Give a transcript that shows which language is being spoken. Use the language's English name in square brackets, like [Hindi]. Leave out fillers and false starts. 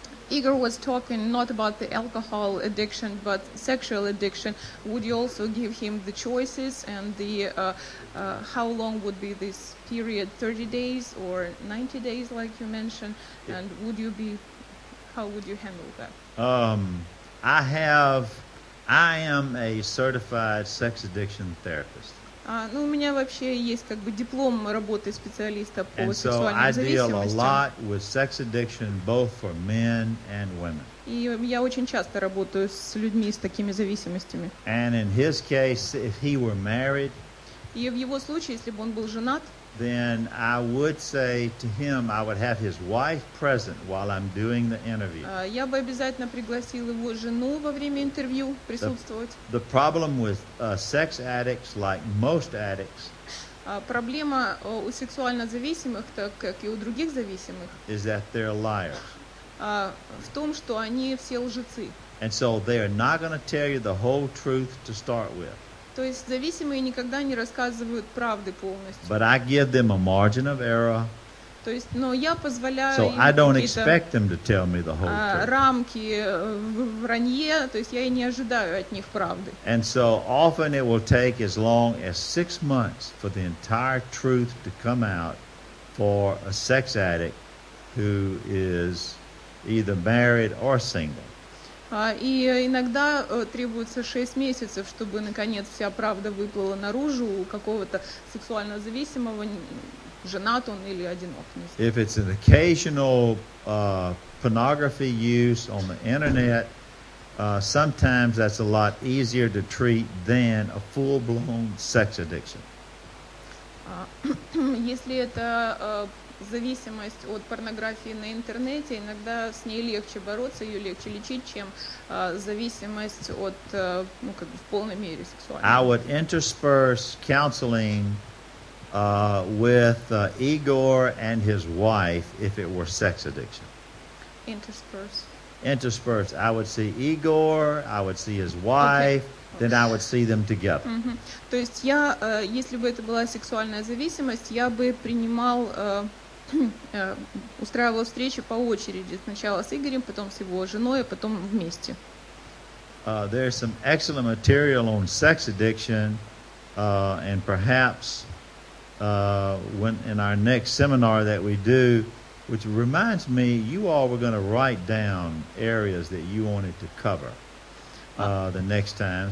[English] Igor was talking not about the alcohol addiction but sexual addiction, would you also give him the choices and the how long would be this period, 30 days or 90 days like you mentioned, and would you be, how would you handle that? I am a certified sex addiction therapist. [Russian] У меня вообще есть как бы диплом работы специалиста по сексуальной зависимости. [English] And so I deal a lot with sex addiction both for men and women. [Russian] И я очень часто работаю с людьми с такими зависимостями. [English] And in his case, if he were married, [Russian] и в его случае, если бы он был женат, [English] then I would say to him, I would have his wife present while I'm doing the interview. [Russian] Я бы обязательно пригласил его жену во время интервью присутствовать. [English] The problem with sex addicts, like most addicts, [Russian] проблема у сексуально зависимых, так как и у других зависимых, [English] is that they're liars. [Russian] В том, что они все лжецы. [English] And so they are not going to tell you the whole truth to start with. [Russian] То есть зависимые никогда не рассказывают правды полностью. [English] But I give them a margin of error. [Russian] То есть, но я позволяю [English] so [Russian] им [English] I don't expect them to tell me the whole truth. [Russian] Рамки вранье, то есть я и не ожидаю от них правды. [English] And so often it will take as long as 6 months for the entire truth to come out for a sex addict who is either married or single. [Russian] И иногда требуется 6 месяцев, чтобы, наконец, вся правда выплыла наружу у какого-то сексуально зависимого, женат он или одинок. [English] If it's an occasional pornography use on the internet, sometimes that's a lot easier to treat than a full-blown sex addiction. [Russian] Если это зависимость от порнографии на интернете, иногда с ней легче бороться, ее легче лечить, чем зависимость от, ну, как бы в полной мере сексуальной. [English] I would intersperse counseling with Igor and his wife if it were sex addiction. Intersperse. I would see Igor, I would see his wife, okay. Then I would see them together. [Russian] То есть я, если бы это была сексуальная зависимость, я бы принимал устраивала встречи по очереди, сначала с Игорем, потом с его женой, а потом вместе. [English] There is some excellent material on sex addiction, and perhaps when in our next seminar that we do, which reminds me, you all were going to write down areas that you wanted to cover the next time.